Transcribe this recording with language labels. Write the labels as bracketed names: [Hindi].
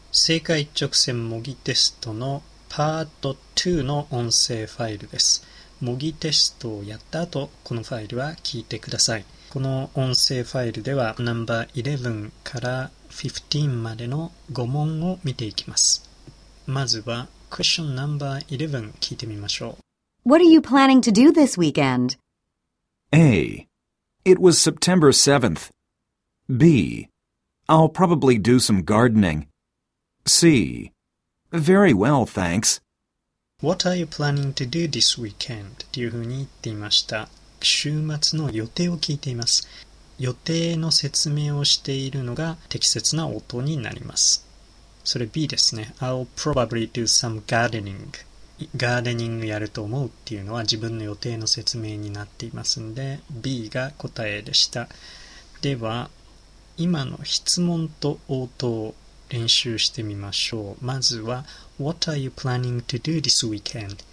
[Japanese] 正解直線模擬テストのパート2の音声ファイルです。模擬テストをやった後、このファイルは聞いてください。この音声ファイルではナンバー11から15までの5問を見ていきます。まずはクエスチョンナンバー11聞いてみましょう。 [English] What are you planning to do this weekend? A. It was September 7th. B. I'll probably do some gardening. C. Very well, thanks. What are you planning to do this weekend? [Japanese] というふうに言っていました。週末の予定を聞いています。予定の説明をしているのが適切な音になります。それ B ですね。 [English] I'll probably do some gardening. [Japanese] ガーデニングやると思うっていうのは自分の予定の説明になっていますので、B が答えでした。では、今の質問と応答を練習してみましょう。まずは、 [English] What are you planning to do this weekend?